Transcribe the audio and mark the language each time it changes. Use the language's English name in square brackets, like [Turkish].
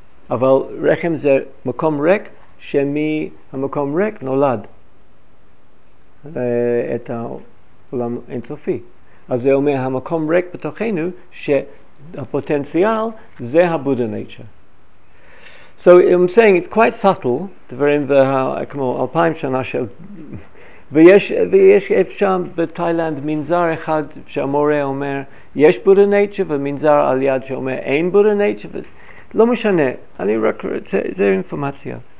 [Hebrew] אבל רחם זה מקום ריק, שמהמקום ריק נולד את העולם האינסופי. אז זה אומר, המקום ריק בתוכנו, שהפוטנציאל זה הבודה נייצ'ר. [English] So I'm saying it's quite subtle, [Hebrew] דברים כמו 2000 שנה של... ויש שם בתאילנד מנזר אחד שהמורה אומר, יש בודה נייצ'ר, ומנזר על יד שאומר, אין בודה נייצ'ר, לא משנה, אני רק רוצה, זה אינפורמציה.